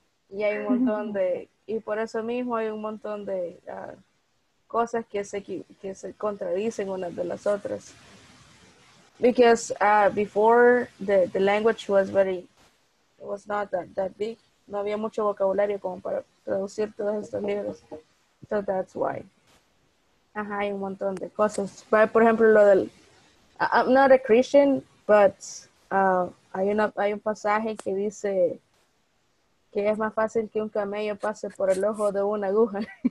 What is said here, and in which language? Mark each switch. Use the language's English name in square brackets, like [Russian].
[Spanish] Y hay un montón de... Y por eso mismo hay un montón de... cosas que se contradicen unas de las otras. [English] Because before the language was very, it was not that big. [Spanish] No había mucho vocabulario como para traducir todos estos libros. [English] So that's why. [Spanish] Ajá, hay un montón de cosas. But, por ejemplo, lo del, [English] I'm not a Christian, but [Spanish] hay un pasaje que dice que es más fácil que un camello pase por el ojo de una aguja.